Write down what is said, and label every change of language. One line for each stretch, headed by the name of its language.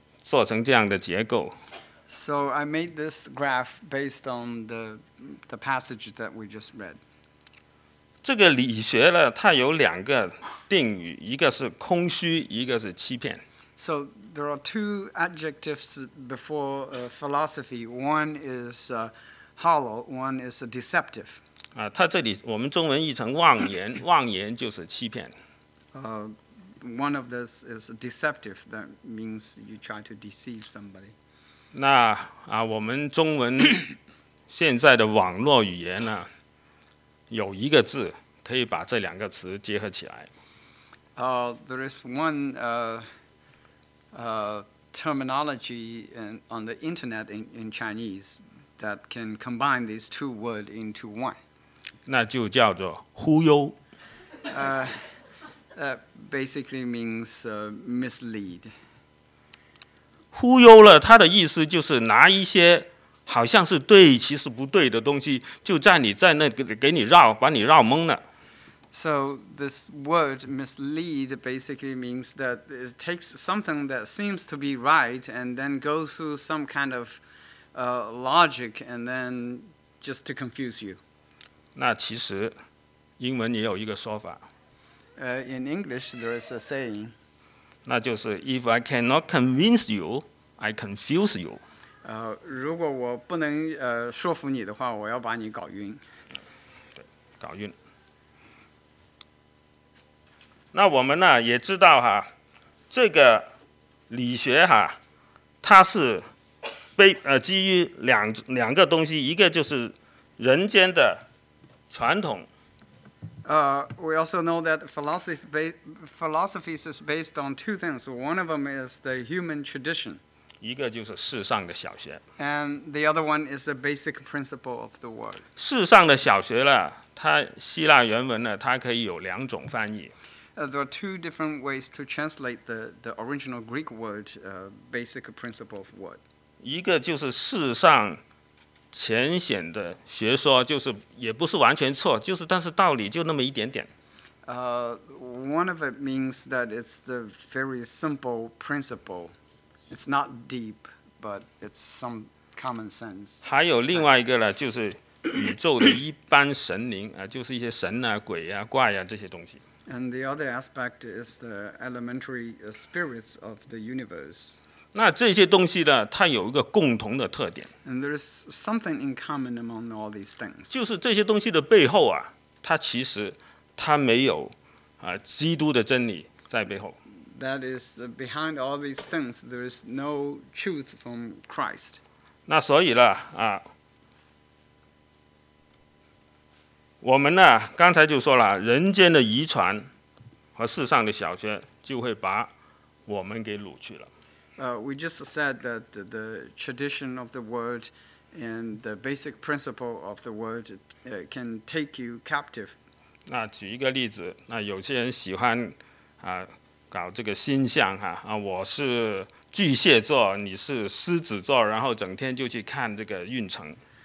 Chinese: 做成这样的结构。
English: So I made this graph based on the passage that we just read.
Chinese: 这个理学呢，它有两个定语，一个是空虚，一个是欺骗。
English: So there are two adjectives before philosophy. One is hollow, one is deceptive.
Chinese: 它这里我们中文译成妄言，妄言就是欺骗。
English: one of those is deceptive, that means you try to deceive somebody.
Chinese: 那啊，我们中文现在的网络语言呢，有一个字可以把这两个词结合起来。
English: There is one terminology on the internet in Chinese that can combine these two words into one.
Chinese: 那就叫做忽悠。
English: Basically means mislead.
Chinese: 忽悠了，它的意思就是拿一些好像是对，其实不对的东西，就在你在那给你绕，把你绕懵了。
English: So this word mislead basically means that it takes something that seems to be right and then goes through some kind of logic and then just to confuse you.
Chinese: 那其实英文也有一个说法。
English: In English, there is a saying.
Chinese: 那就是
English: if I cannot convince you, I confuse you.
Chinese: 如果我不能说服你的话，我要把你搞晕。对，搞晕。那我们呢也知道哈，这个理学哈，它是基于两个东西，一个就是人间的传统。
English: We also know that philosophy is based on two things. One of them is the human tradition.
Chinese: 一个就是世上的小学。
English: And the other one is the basic principle of the world.
Chinese: 世上的小学呢，它希腊原文呢，它可以有两种翻译。
English: There are two different ways to translate the original Greek word, basic principle of word.
Chinese: 一个就是世上浅显的学说，就是也不是完全错，就是但是道理就那么一点点。
English: One of it means that it's the very simple principle. It's not deep, but it's some common sense.
Chinese: 还有另外一个呢，就是宇宙的一般神灵啊，就是一些神啊、鬼啊、怪啊这些东西。
English: And the other aspect is the elementary spirits of the universe.
Chinese: 那这些东西呢，它有一个共同的特点。
English: And there is something in common among all these things.
Chinese: 就是这些东西的背后啊，它其实它没有啊基督的真理在背后。
English: That is behind all these things, there is no truth from Christ.
Chinese: 那所以呢啊，我们呢刚才就说了，人间的遗传和世上的小学就会把我们给掳去了。
English: We just said that the tradition of the world and the basic principle of the world can take you captive.
Chinese: 那举一个例子，那有些人喜欢啊搞这个星象哈啊，我是巨蟹座，你是狮子座，然后整天就去看这个运程。